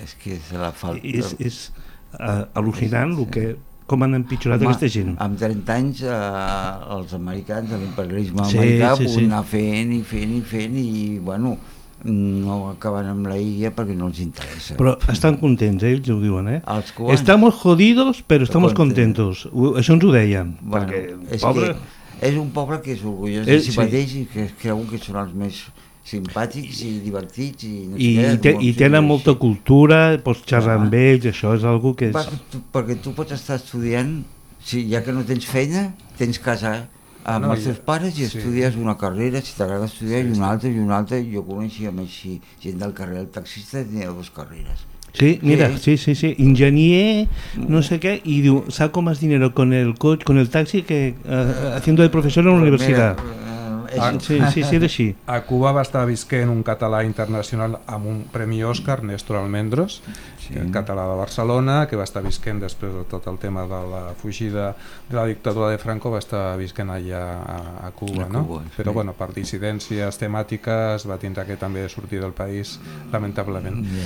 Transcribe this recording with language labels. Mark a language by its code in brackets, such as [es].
[ca] És que és la falta... És al·lucinant com han empitjorat aquesta gent. Amb 30 anys els americans, l'imperialisme americà, pogut anar fent i, bueno, no acaben amb la illa perquè no els interessa. Però estan contents, ells ho diuen, eh? Els cubans. [es] Estamos jodidos, pero estamos contentos. [ca] Això ens ho deien. Bueno, perquè, és pobre... que... és un poble que és orgullós de si mateix i que creuen que són els més simpàtics i divertits. I tenen molta cultura, pots xerrar amb ells, això és algo que és... Perquè tu pots estar estudiant, si, ja que no tens feina, tens casa amb els teus pares i estudies una carrera, si t'agrada estudiar, i una altra, i una altra. Jo coneixia més així, gent del carrer del taxista tenia dues carreres. Sí, mira, sí, enginyer, no sé què, i diu, sap com [es] es dinero con el coche, con el taxi, que haciendo [ca] de professor en la universitat. Sí, era així. A Cuba va estar visquent un català internacional amb un premi Òscar, Néstor Almendros, el català de Barcelona, que va estar visquent després de tot el tema de la fugida de la dictadura de Franco, va estar visquent allà a Cuba, no? Però bueno, per dissidències temàtiques va tindre que també sortir del país, lamentablement.